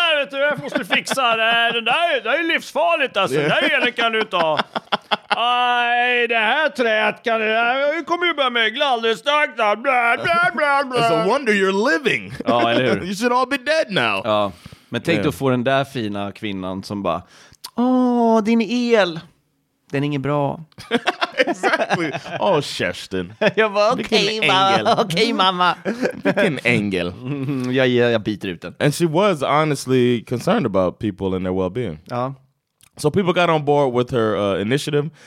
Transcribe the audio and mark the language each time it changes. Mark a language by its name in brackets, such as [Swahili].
[Swedish] Jag måste fixa det här är livsfarligt alltså. Yeah. Det här elen kan du ta. Aj, det här träet kan du. Vi kommer ju börja mögla alldeles starkt. [English] It's a wonder you're living. [Swedish] Ja, eller hur? [English] You should all be dead now. [Swedish] Ja. Men tänk då få den där fina kvinnan som bara, åh, din el. Den är ingen bra. [English] Exactly. Åh, Kerstin. [Swedish] Jag bara, okej, okay, mamma. Vilken ängel. Jag biter ut den. [English] And she was honestly concerned about people and their well-being. [Swedish] Ja. [English] So people got on board with her initiative.